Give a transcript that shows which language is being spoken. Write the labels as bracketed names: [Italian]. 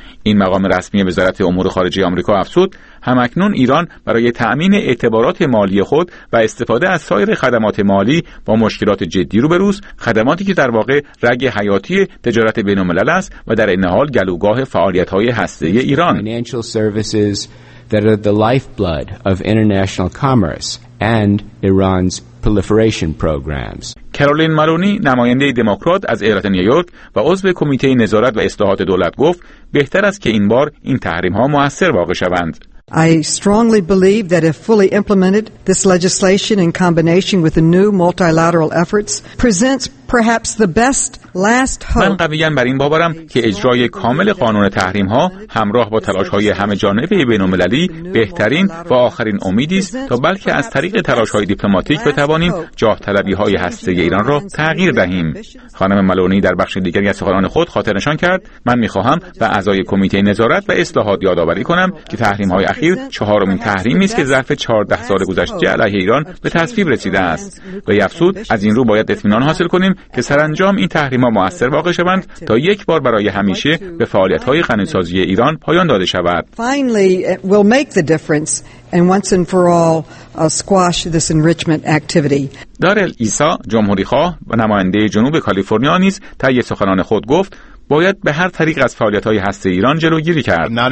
[Persian] این مقام رسمی وزارت امور خارجه آمریکا افزود: هم‌اکنون ایران برای تأمین اعتبارات مالی خود و استفاده از سایر خدمات مالی با مشکلات جدی روبروست، خدماتی که در واقع رگ حیاتی تجارت بین‌الملل است و در این حال گلوگاه فعالیت‌های هسته‌ای ایران. [English] Financial services that are the lifeblood of international commerce and Iran's proliferation programs. [Persian] کارولین مارونی، نماینده دموکرات از ایالت نیویورک و عضو کمیته نظارت و اصلاحات دولت، گفت: بهتر است که این بار این تحریم‌ها مؤثر واقع شوند. [English] I strongly believe that if fully implemented, this legislation in combination with the new multilateral efforts presents perhaps the best last hope. [Persian] من قویاً بر این باورم که اجرای کامل قانون تحریم‌ها همراه با تلاش‌های همه‌جانبه بین‌المللی بهترین و آخرین امیدی است تا بلکه از طریق تلاش‌های دیپلماتیک بتوانیم جاه‌طلبی‌های هسته‌ای ایران را تغییر دهیم. خانم مالونی در بخش دیگری از سخنان خود خاطر نشان کرد: من می‌خواهم و اعضای کمیته نظارت و اصلاحات یادآوری کنم که تحریم‌های اخیر چهارمین تحریمی است که ظرف 14 سال گذشته علیه ایران به تصویب رسیده است. و افسود از این رو باید اطمینان حاصل کنیم که سرانجام این تحریم‌ها مؤثر واقع شوند تا یک بار برای همیشه به فعالیت‌های غنی‌سازی ایران پایان داده شود. [English] Finally will make the difference and once and for all squash this enrichment activity. [Persian] دارل ایسا، جمهوری‌خواه و نماینده جنوب کالیفرنیا، نیز طی سخنان خود گفت: باید به هر طریق از فعالیت‌های هسته‌ای ایران جلوگیری کرد.